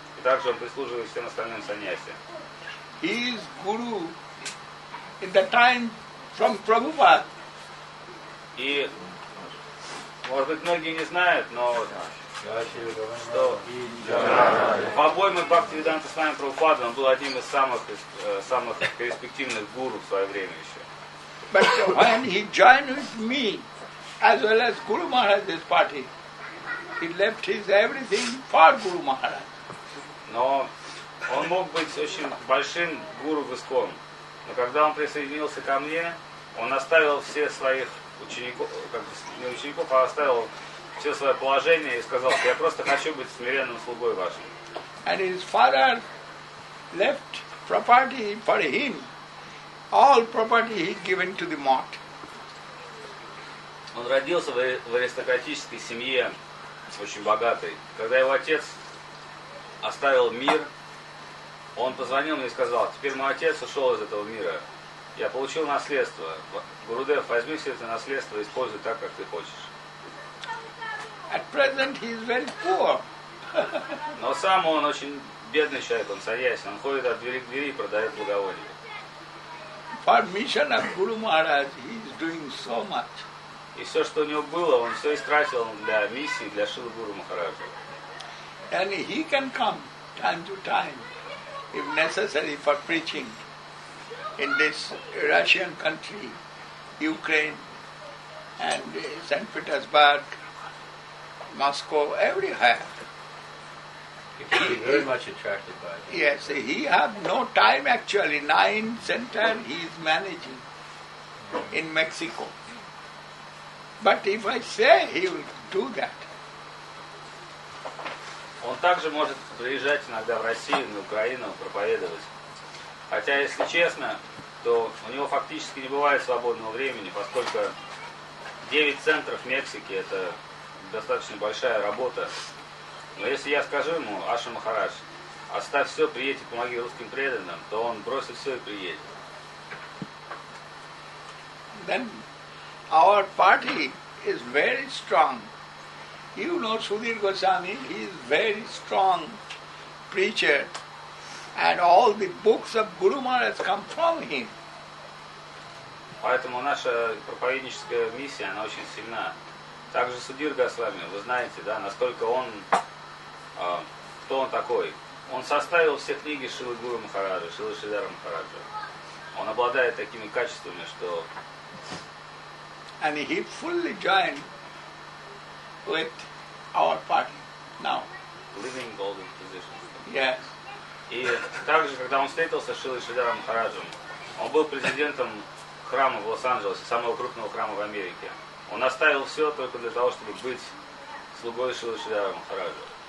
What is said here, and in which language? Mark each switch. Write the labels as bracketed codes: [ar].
[ru] И также он прислуживает всем остальным саньяси. [en] He is guru in the time from Prabhupada. [ru] И, может быть, многие не знают, но что в обойме Бхактивиданта с вами Прабхупада, он был одним из самых перспективных гуру в свое время еще. [en] But when he joined with me, as well as Guru Maharaj's party, he left his everything for Guru Maharaj. [ru] Но он мог быть очень большим гуру в ИСКОН. Но когда он присоединился ко мне, он оставил все своих учеников, как бы не учеников, а оставил все свое положение и сказал, я просто хочу быть смиренным слугой вашим. [en] And his father left property for him. All property he given to the mot. [ru] Он родился в аристократической семье, очень богатой. Когда его отец оставил мир, он позвонил мне и сказал, теперь мой отец ушел из этого мира. Я получил наследство. Гурудев, возьми все это наследство и используй так, как ты хочешь. [en] At present he is very poor. [ru] Но сам он очень бедный человек, он саньяси. Он ходит от двери к двери и продает благовония. [en] For mission of Guru Maharaj, he is doing so much. [ru] И все, что у него было, он все истратил для миссии, для Шилы Гуру Махараджа. [en] And he can come time to time, if necessary, for preaching in this Russian country, Ukraine, and St. Petersburg, Moscow, everywhere. He's very much attracted by it. Yes, he has no time actually. 9 centers he is managing in Mexico. But if I say he will do that. [ru] Он также может приезжать иногда в Россию, на Украину, проповедовать. Хотя, если честно, то у него фактически не бывает свободного времени, поскольку 9 центров Мексики — это достаточно большая работа. Но если я скажу ему, Аша Махарадж, оставь все, приедь и помоги русским преданным, то он бросит все и приедет. [en] Then our party is very strong. You know Sudhir Goswami, he is very strong preacher. And all the books of Guru Maharaj come from him. [ru] Поэтому наша проповедническая миссия, она очень сильна. Также Судир Госвами, вы знаете, да, насколько он... кто он такой? Он составил все книги Шилы Гуру Махараджа, Шилы Шридхара Махараджа. Он обладает такими качествами, что... [en] And he fully joined with our party now. Living golden position. Yes. [ru] И также, когда он встретился с Шилы Шридхара Махараджем, он был президентом храма в Лос-Анджелесе, самого крупного храма в Америке. Он оставил все только для того, чтобы быть слугой Шилы Шридхара Махараджа.